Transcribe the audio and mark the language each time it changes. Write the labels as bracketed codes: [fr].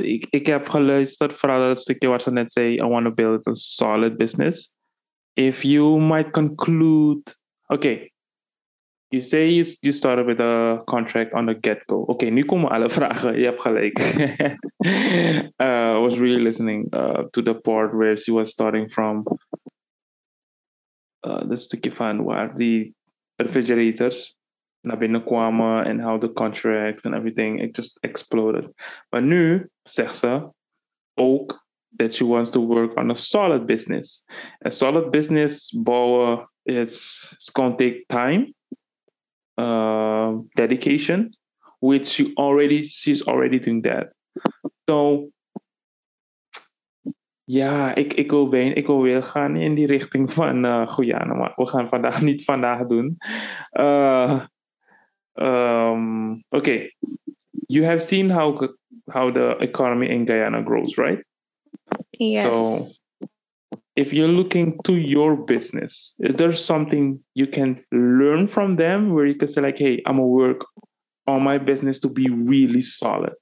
[nl] Ik heb geluisterd vooral dat stukje wat ze net zei. [en] I want to build a solid business. If you might conclude, okay. You say you started with a contract on the get-go. Okay, [nl] nu komen alle vragen. Je hebt gelijk. [en] I was really listening to the part where she was starting from the [nl] stukje van waar [en] the refrigerators [nl] naar binnen kwamen en [en] how the contracts and everything. It just exploded. But [nl] nu zegt ze ook [en] that she wants to work on a solid business. A solid business bouwen is going to take time. Dedication, which she's already doing that. [nl] So, ja, ik wil gaan in die richting van Guyana, maar we gaan vandaag niet vandaag doen. [en] Okay, you have seen how the economy in Guyana grows, right? Yes. So, if you're looking to your business, is there something you can learn from them where you can say like, hey, I'm gonna work on my business to be really solid?